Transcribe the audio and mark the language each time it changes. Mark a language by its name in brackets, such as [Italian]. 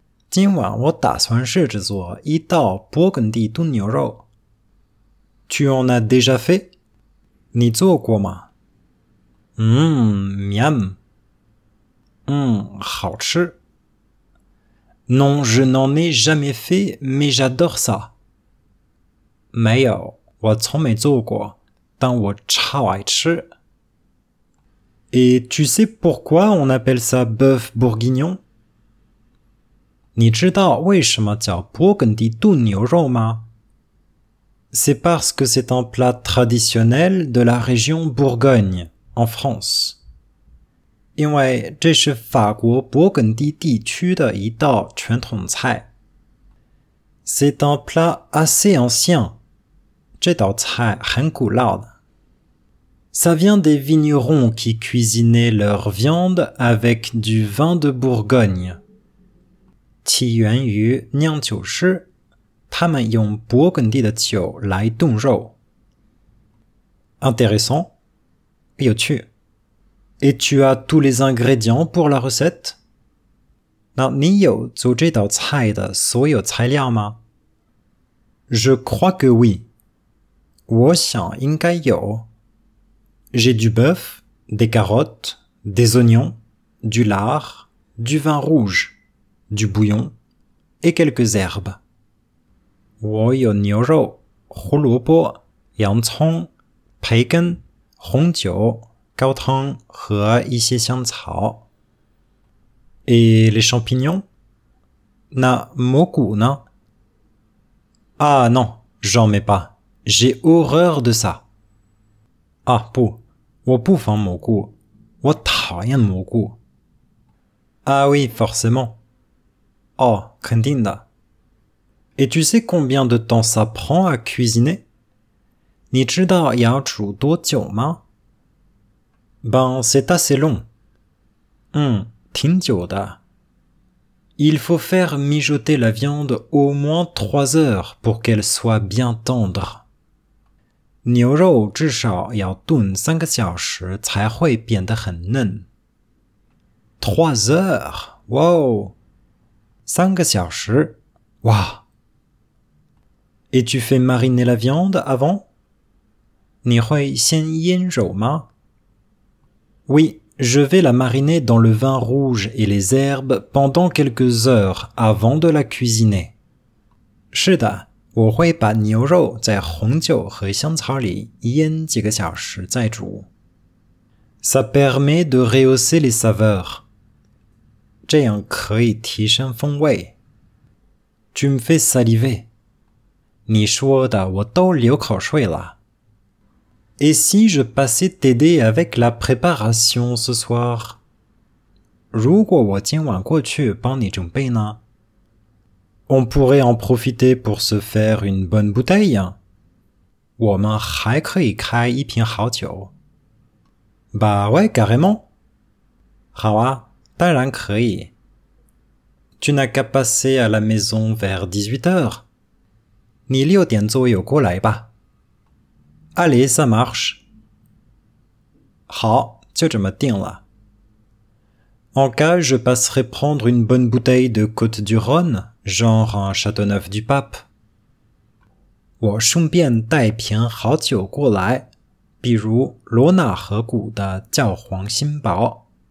[Chinese] 今晚我打算试着做一道勃艮第炖牛肉. [French] Tu en as déjà fait? [Chinese] 你做过吗? Miam. Hauchi. [French] Non, je n'en ai jamais fait, mais j'adore ça. [Chinese] 没有, 我从没做过, 但我超爱吃. [French] Et tu sais pourquoi on appelle ça bœuf bourguignon? [Chinese] 你知道为什么叫勃艮第炖牛肉吗？ [French] C'est parce que c'est un plat traditionnel de la région Bourgogne, en France. [Chinese] 因为这是法国勃艮第地区的一道传统菜。 [French] C'est un plat assez ancien. [Chinese] 这道菜很古老的。 [French] Ça vient des vignerons qui cuisinaient leur viande avec du vin de Bourgogne. [Chinese] 起源于酿酒师。他们用勃艮第的酒来炖肉。 [French] Intéressant. [Chinese] 有趣。 [French] Et tu as tous les ingrédients pour la recette? [Chinese] 那你有做这道菜的所有材料吗？ [French] Je crois que oui. [Chinese] 我想应该有。 [French] J'ai du bœuf, des carottes, des oignons, du lard, du vin rouge, du bouillon et quelques herbes. [Chinese] 我有牛肉、胡萝卜、洋葱、培根、红酒、高汤和一些香草。 [French] Et les champignons? [Chinese] 那蘑菇呢？ [French] Ah non, j'en mets pas. J'ai horreur de ça. [Chinese] Ah, 不，我不放蘑菇。我讨厌蘑菇。 [French] Ah oui, forcément. [Chinese] Oh, 肯定的。 [French] Et tu sais combien de temps ça prend à cuisiner? [Chinese] 你知道要煮多久吗？ [French] Ben, c'est assez long. [Chinese] 挺久的。 [French] Il faut faire mijoter la viande au moins 3 heures pour qu'elle soit bien tendre. [Chinese] 牛肉至少要炖3个小时才会变得很嫩。 [French] 3 heures? Wow! [Chinese] 3个小时。哇、wow! [French] Et tu fais mariner la viande avant? [Chinese] 你会先腌肉吗？ [French] Oui, je vais la mariner dans le vin rouge et les herbes pendant quelques heures avant de la cuisiner. [Chinese] 是的，我会把牛肉在红酒和香草里腌几个小时再煮。 [French] Ça permet de rehausser les saveurs. [Chinese] 这样可以提升风味。 [French] Tu me fais saliver. [Chinese] 你说的我都流口水了。 [French] Et si je passais t'aider avec la préparation ce soir? [Chinese] 如果我今晚过去帮你准备呢？ [French] On pourrait en profiter pour se faire une bonne bouteille? [Chinese] 我们还可以开一瓶好酒。 [French] Bah ouais, carrément. [Chinese] 好啊，当然可以。 [French] Tu n'as qu'à passer à la maison vers 18h? [Chinese] 你六点左右过来吧。 [French] Allez, ça marche. [Chinese] 好，就这么定了。 [French] En cas, je passerai prendre une bonne bouteille de Côte du Rhône, genre un Châteauneuf du Pape. [Chinese] 我顺便带瓶好酒过来，比如罗纳河谷的教皇新堡。